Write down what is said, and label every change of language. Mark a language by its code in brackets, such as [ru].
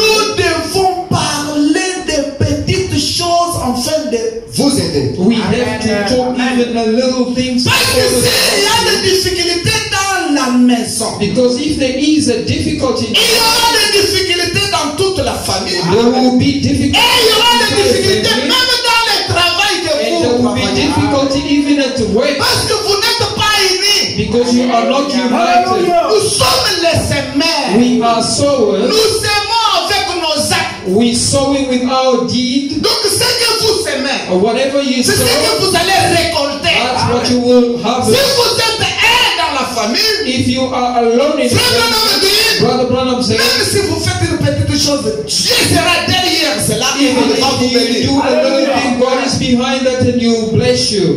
[fr] Nous devons parler de petites choses en fait de vous aider. [en] We have to talk even the little things. [fr] Parce que s'il y a des difficultés dans la maison. [en] Because if there is a difficulty. [fr] Il y aura des difficultés. Dans toute la famille. [en] There will be difficulties. [fr] Et il y aura des difficultés même dans le travail que [en] and [fr] vous. [en] There will be difficulty even at work. [fr] Parce que vous n'êtes pas unis. [en] Because you are not united. [fr] Nous sommes les semeurs. [en] We are sowers. [fr] Nous sommes avec nos actes. [en] We sowing with our deed. [fr] Donc c'est que vous semez. [en] or whatever you sow, [fr] c'est ce que vous allez récolter. [en] That's what you will harvest. [fr] Si vous êtes un dans la famille, [en] if you are alone in the family, Brother Branham said, [fr] même si vous faites une petite chose, Dieu sera derrière cela. Il va vous bénir. [en] If you do a little thing, God is behind that and He will bless you.